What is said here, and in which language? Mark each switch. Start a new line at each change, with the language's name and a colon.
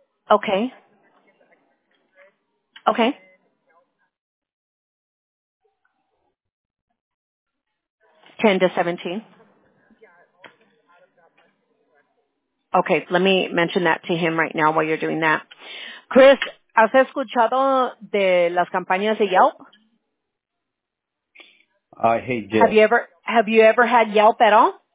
English: Okay. Okay. $10 to $17. Okay, let me mention that to him right now while you're doing that.
Spanish: Chris, ¿has escuchado de las campañas de Yelp?
English: I hate Yelp. Have you ever had Yelp at all?